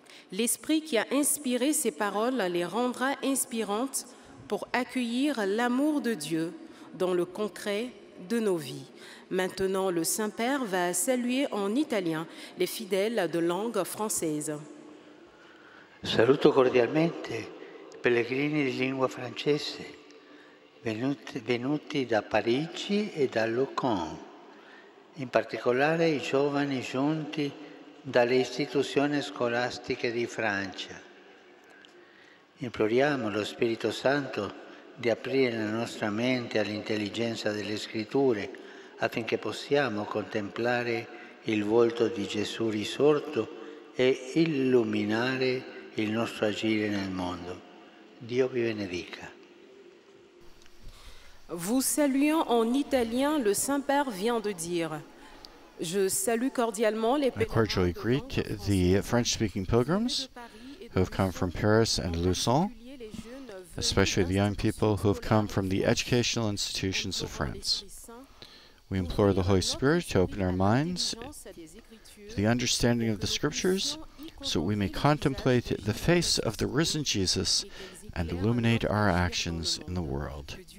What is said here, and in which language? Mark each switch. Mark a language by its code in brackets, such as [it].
[fr] L'Esprit qui a inspiré ces paroles les rendra inspirantes pour accueillir l'amour de Dieu dans le concret de nos vies. Maintenant, le Saint-Père va saluer en italien les fidèles de langue française. [it] Saluto cordialmente i pellegrini di lingua francese venuti da Parigi e da Lucan. In particolare i giovani giunti dalle istituzioni scolastiche di Francia. Imploriamo lo Spirito Santo di aprire la nostra mente all'intelligenza delle Scritture affinché possiamo contemplare il volto di Gesù risorto e illuminare il nostro agire nel mondo. Dio vi benedica. [fr] Vous saluant en italien, le Saint-Père vient de dire. Je salue cordialement les pèlerins. [en] I cordially greet the French-speaking pilgrims who have come from Paris and Luçon, especially the young people who have come from the educational institutions of France. We implore the Holy Spirit to open our minds to the understanding of the Scriptures so we may contemplate the face of the risen Jesus and illuminate our actions in the world.